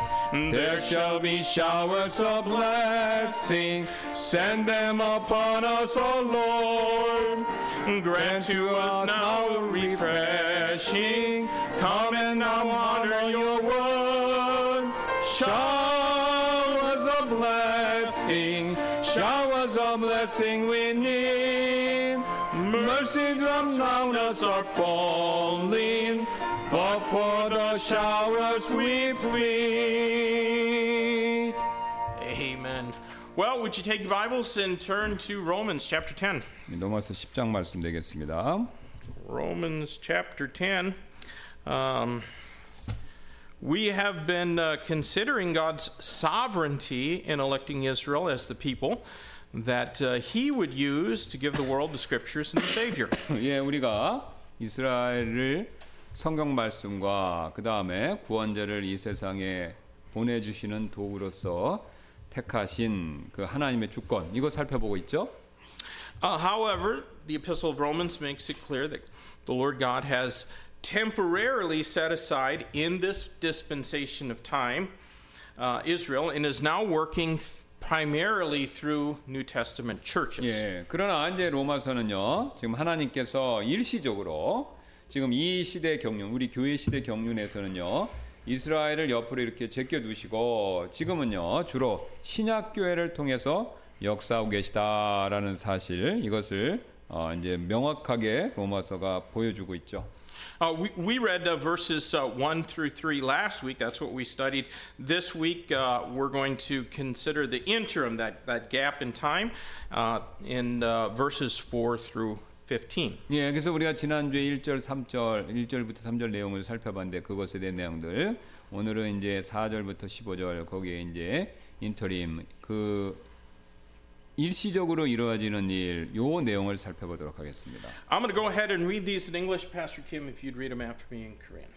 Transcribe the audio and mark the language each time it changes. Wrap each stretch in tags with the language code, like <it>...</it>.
<en>There shall be showers of blessing Send them upon us, O Lord Grant to us now refreshing Come and now honor your word showers of blessing we need Mercy drops round us are falling But for the showers we plead. Amen. Well, would you take your Bibles and turn to Romans chapter 10?</en> <ko>로마서 10장 말씀 되겠습니다.</ko> <en>Romans chapter 10. We have been considering God's sovereignty in electing Israel as the people that he would use to give the world the scriptures and the Savior.</en> <ko>예, 우리가 이스라엘을 성경 말씀과 그 다음에 구원자를 이 세상에 보내주시는 도구로서 택하신 그 하나님의 주권 이거 살펴보고 있죠.</ko> <en>However, the Epistle of Romans makes it clear that the Lord God has temporarily set aside in this dispensation of time Israel and is now working primarily through New Testament churches.</en> <ko>예, 그러나 이제 로마서는요 지금 하나님께서 일시적으로 지금 이 시대 경륜, 우리 교회 시대 경륜에서는요, 이스라엘을 옆으로 이렇게 제껴 두시고 지금은요 주로 신약 교회를 통해서 역사하고 계시다라는 사실 이것을 이제 명확하게 로마서가 보여주고 있죠.</ko> <en>We read verses 1 through 3 last week. That's what we studied. This week we're going to consider the interim, that gap in time in verses 4 through 15.</en> <ko>예, 그래서 우리가 지난주에 1절, 3절, 1절부터 3절 내용을 살펴봤는데 그것에 대한 내용들 오늘은 이제 4절부터 15절 거기에 이제</ko> <en>인터림</en> <ko>그 일시적으로 이루어지는 일, 요 내용을 살펴보도록 하겠습니다.</ko> <en>I'm going to go ahead and read these in English, Pastor Kim, if you'd read them after me in Korean.</en>